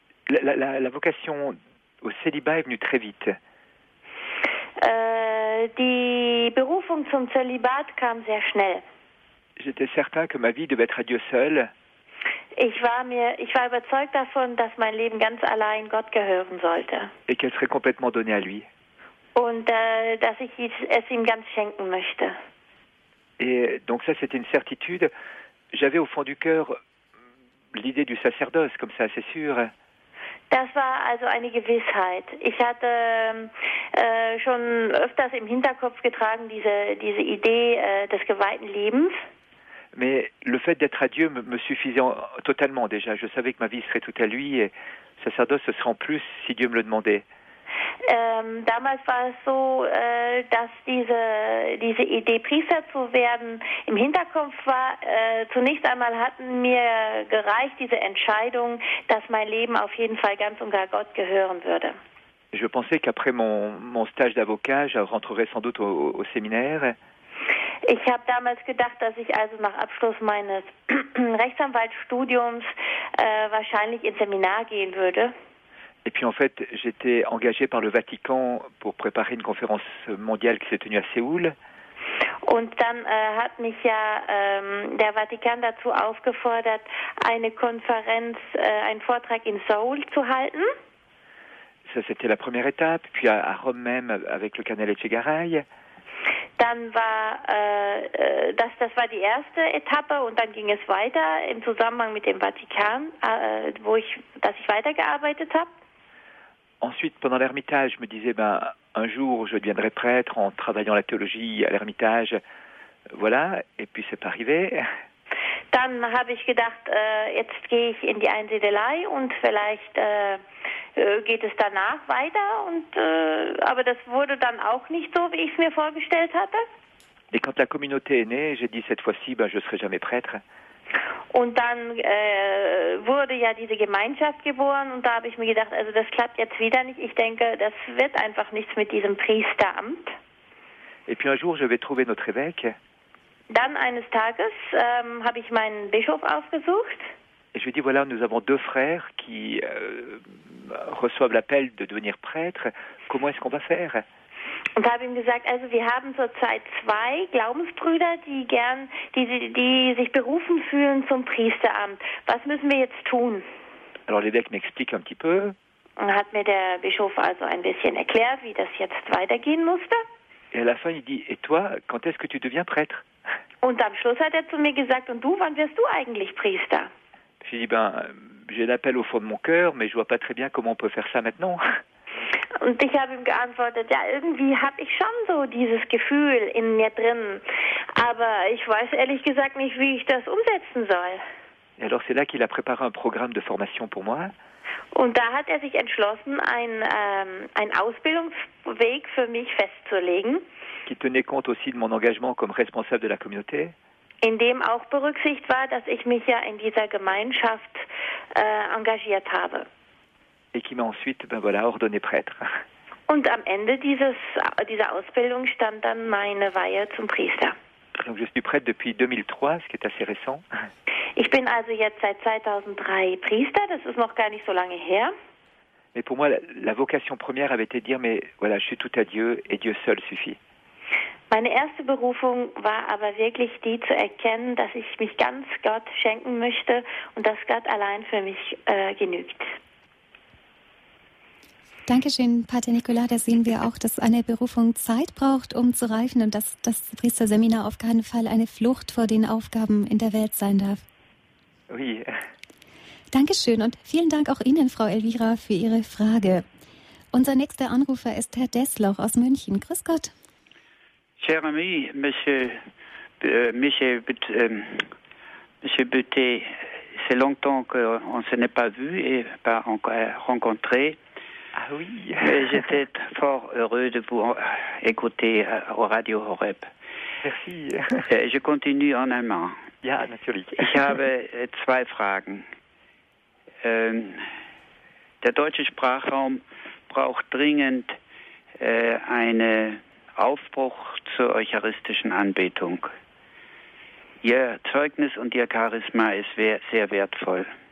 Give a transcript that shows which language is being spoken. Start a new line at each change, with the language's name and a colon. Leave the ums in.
French: La, la, la, vocation au célibat est venue très vite.
German: Euh, die Berufung zum Zölibat kam sehr schnell.
French: J'étais certain que ma vie devait être à Dieu seul.
German: Ich war mir, ich war überzeugt davon, dass mein Leben ganz allein Gott gehören sollte.
French: Et qu'elle serait complètement donnée à lui.
German: Und äh, dass ich es ihm ganz schenken möchte.
French: Et donc ça, c'était une certitude. J'avais au fond du cœur l'idée du sacerdoce, comme ça, c'est sûr.
German: Das war also eine Gewissheit. Ich hatte äh, schon öfters im Hinterkopf getragen diese, diese Idee äh, des geweihten Lebens.
French: Mais le fait d'être à Dieu me, me, suffisait totalement déjà. Je savais que ma vie serait toute à lui et sacerdoce ce serait en plus si Dieu me le demandait.
German: Ähm, damals war es so, äh, dass diese, diese Idee, Priester zu werden, im Hinterkopf war. Äh, zunächst einmal hatten mir gereicht diese Entscheidung, dass mein Leben auf jeden Fall ganz und gar Gott gehören würde.
French: Je pensais qu'après mon, mon stage d'avocat, je rentrerais sans doute au, au séminaire.
German: Ich habe damals gedacht, dass ich also nach Abschluss meines Rechtsanwaltsstudiums äh, wahrscheinlich ins Seminar gehen würde.
French: Et puis en fait, j'étais engagé par le Vatican pour préparer une conférence mondiale qui s'est tenue à Séoul.
German: Und dann äh, hat mich ja ähm, der Vatikan dazu aufgefordert, eine Konferenz, äh, einen Vortrag in Seoul zu halten.
French: Ça, c'était la première étape. Puis à, à, Rome même, avec le canal Echegaray.
German: Dann war äh, das, das war die erste Etappe und dann ging es weiter im Zusammenhang mit dem Vatikan, wo ich, dass ich weitergearbeitet habe.
French: Ensuite, pendant l'Ermitage, je me disais, ben, un jour, je deviendrai prêtre en travaillant la théologie à l'Ermitage. Voilà, et puis c'est arrivé.
German: Dann habe ich gedacht, äh, jetzt gehe ich in die Einsiedelei und vielleicht äh, geht es danach weiter. Und, äh, aber das wurde dann auch nicht so, wie ich es mir vorgestellt hatte.
French: Et quand la communauté est née, j'ai dit cette fois-ci, ben, je serai jamais prêtre.
German: Und dann äh, wurde ja diese Gemeinschaft geboren und da habe ich mir gedacht, also das klappt jetzt wieder nicht. Ich denke, das wird einfach nichts mit diesem Priesteramt.
French: Et puis un jour, je vais trouver notre évêque.
German: Dann eines Tages ähm, habe ich meinen Bischof aufgesucht.
French: Et je lui ai dit, voilà, nous avons deux frères qui euh, reçoivent l'appel de devenir prêtre. Comment est-ce qu'on va faire
German: und habe ihm gesagt, also wir haben zurzeit zwei Glaubensbrüder, die gern, die, die sich berufen fühlen zum Priesteramt. Was müssen wir jetzt tun?
French: Alors l'évêque m'explique un petit peu.
German: Und hat mir der Bischof also ein bisschen erklärt, wie das jetzt weitergehen musste.
French: Et à la fin, il dit, et toi, quand est-ce que tu deviens prêtre?
German: Und am Schluss hat er zu mir gesagt, und du, wann wirst du eigentlich Priester?
French: J'ai dit, ben, j'ai l'appel au fond de mon cœur, mais je vois pas très bien comment on peut faire ça maintenant.
German: Und ich habe ihm geantwortet, ja, irgendwie habe ich schon so dieses Gefühl in mir drin. Aber ich weiß ehrlich gesagt nicht, wie ich das umsetzen soll.
French: Et alors c'est là qu'il a préparé un programme de formation pour moi.
German: Und da hat er sich entschlossen, einen, ähm, einen Ausbildungsweg für mich festzulegen,
French: qui tenait compte aussi de mon engagement comme responsable de la communauté.
German: in dem auch berücksichtigt war, dass ich mich ja in dieser Gemeinschaft äh, engagiert habe.
French: et qui m'a ensuite, ben voilà, ordonné prêtre.
German: Und am Ende dieses, dieser Ausbildung stand dann meine Weihe zum Priester.
French: Donc je suis prêtre depuis 2003, ce qui est assez récent.
German: Ich bin also jetzt seit 2003 Priester, das ist noch gar nicht so lange her.
French: Mais pour moi, la, la vocation première avait été de dire, mais voilà, je suis tout à Dieu et Dieu seul suffit.
German: Meine erste Berufung war aber wirklich die zu erkennen, dass ich mich ganz Gott schenken möchte und dass Gott allein für mich äh, genügt. Dankeschön, Pater Nicola. Da sehen wir auch, dass eine Berufung Zeit braucht, um zu reifen und dass das Priesterseminar auf keinen Fall eine Flucht vor den Aufgaben in der Welt sein darf.
French: Oui,
German: Dankeschön und vielen Dank auch Ihnen, Frau Elvira, für Ihre Frage. Unser nächster Anrufer ist Herr Deslauch aus München. Grüß Gott.
French: Cher ami, monsieur, euh, monsieur, But- euh, monsieur Buté, c'est longtemps qu'on ne se n'est pas vu et pas encore rencontré. ah oui, Mais J'étais fort heureux de vous écouter euh, au Radio Horeb. merci. Euh, Je continue en allemand.
German: Ja, natürlich. Ich habe äh, zwei Fragen. Ähm, der deutsche Sprachraum braucht dringend äh, einen Aufbruch zur eucharistischen Anbetung. Ihr Zeugnis und Ihr Charisma ist wer- sehr wertvoll.